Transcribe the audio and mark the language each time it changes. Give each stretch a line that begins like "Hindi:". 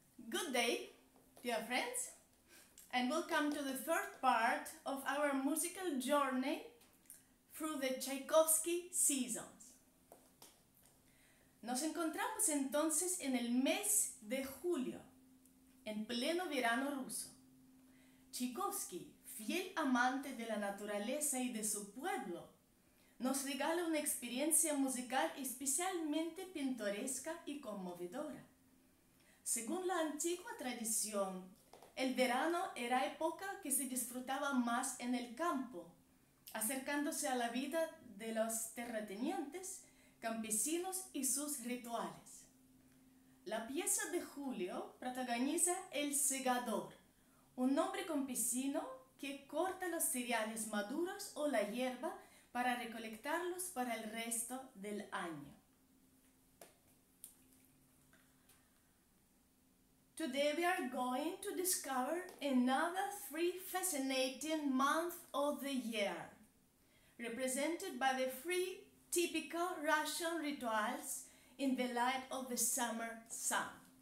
English: Good day, dear friends, and welcome to the third part of our musical journey through the Tchaikovsky seasons.
Spanish: Nos encontramos entonces en el mes de julio, en pleno verano ruso. Tchaikovsky, fiel amante de la naturaleza y de su pueblo, nos regala una experiencia musical especialmente pintoresca y conmovedora. Según la antigua tradición, el verano era época que se disfrutaba más en el campo, acercándose a la vida de los terratenientes, campesinos y sus rituales. La pieza de julio protagoniza el segador, un hombre campesino que corta los cereales maduros o la hierba para recolectarlos para el resto del año.
English: Today we are going to discover another three fascinating months of the year, represented by the three typical Russian rituals in the light of the summer sun.